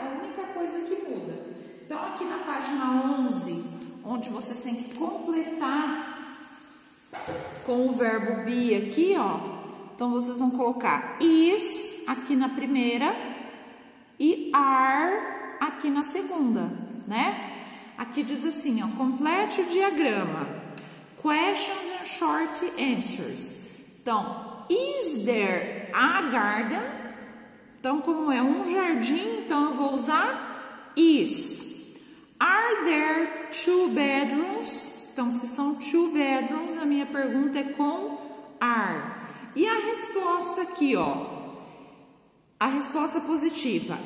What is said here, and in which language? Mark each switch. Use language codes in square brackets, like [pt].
[pt] É a única coisa que muda. Então, aqui na página 11, onde vocês têm que completar com o verbo be aqui, ó. Então, vocês vão colocar is aqui na primeira e are aqui na segunda, né? Aqui diz assim, ó, complete o diagrama. [en] Questions and short answers. Então, is there a garden? [pt] Então, como é um jardim, então eu vou usar is. [en] Are there two bedrooms? [pt] Então, se são two bedrooms, a minha pergunta é com are. E a resposta aqui, ó. A resposta positiva.